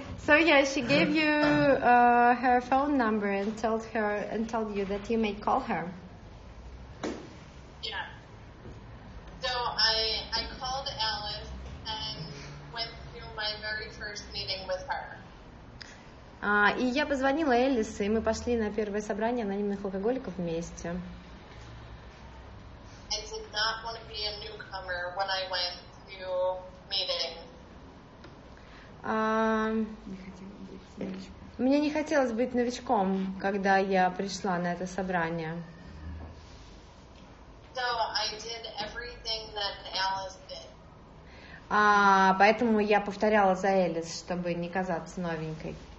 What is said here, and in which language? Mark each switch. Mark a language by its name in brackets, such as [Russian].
[English] So yeah, she gave you her phone number and told you that you may call her. Yeah. So I called Alice and went through my very first meeting with her. [Russian] И я позвонила Элис, и мы пошли на первое собрание анонимных алкоголиков вместе. [English] I did not want to be a newcomer when I went to meeting. [Russian] Мне не хотелось быть новичком, когда я пришла на это собрание. [English] So I did everything that Alice did. [Russian] Поэтому я повторяла за Элис, чтобы не казаться новенькой.